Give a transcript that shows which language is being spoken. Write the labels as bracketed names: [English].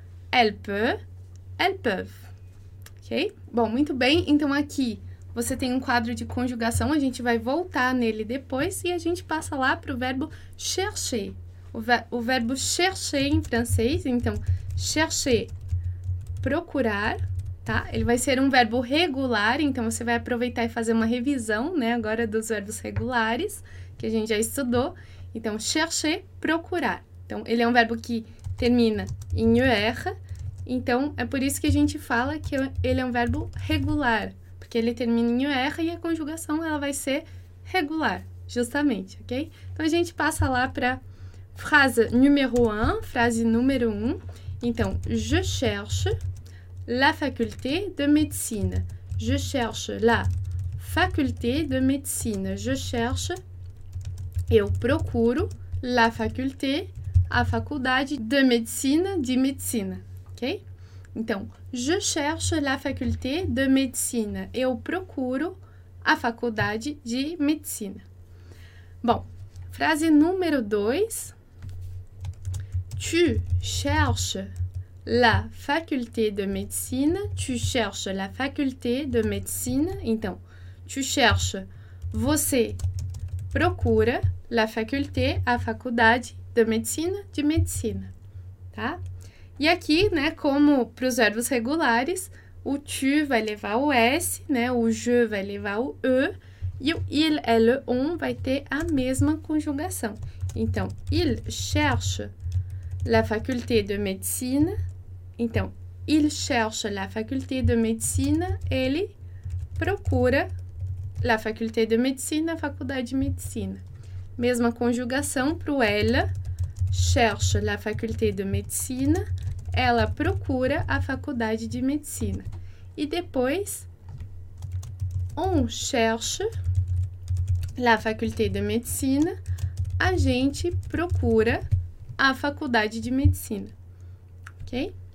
[French] Elle peut, elles peuvent. [Portuguese] Ok? Bom, muito bem. Então, aqui você tem um quadro de conjugação. A gente vai voltar nele depois e a gente passa lá para o verbo chercher. O verbo chercher em francês, então, chercher, procurar, tá? Ele vai ser um verbo regular, então você vai aproveitar e fazer uma revisão, né, agora dos verbos regulares que a gente já estudou. Então, chercher, procurar. Então, ele é um verbo que termina em er, então é por isso que a gente fala que ele é um verbo regular, porque ele termina em er e a conjugação ela vai ser regular, justamente, ok? Então, a gente passa lá para [French] phrase numéro 1, [Portuguese] frase número 1. [French] Então, je cherche la faculté de médecine. Je cherche la faculté de médecine. Je cherche, [Portuguese] eu procuro, [French] la faculté, [Portuguese] a faculdade de medicina, ok? [French] Então, je cherche la faculté de médecine. [Portuguese] Eu procuro a faculdade de medicina. Bom, frase número 2. [French] Tu cherches la faculté de médecine. Tu cherches la faculté de médecine. [Portuguese] Então, [French] tu cherches, [Portuguese] você procura [French] la faculté, [Portuguese] a faculdade de medicina, tá? E aqui, né, como para os verbos regulares, o tu vai levar o S, né, o je vai levar o E, e o il, elle, on vai ter a mesma conjugação. [French] Então, il cherche la faculté de médecine. Então, il cherche la faculté de médecine. [Portuguese] Ele procura [French] la faculté de médecine, [Portuguese] a faculdade de medicina. Mesma conjugação para o elle. [French] Cherche la faculté de médecine. [Portuguese] Ela procura a faculdade de medicina. E depois, [French] on cherche la faculté de médecine. [Portuguese] A gente procura a faculdade de medicina, ok?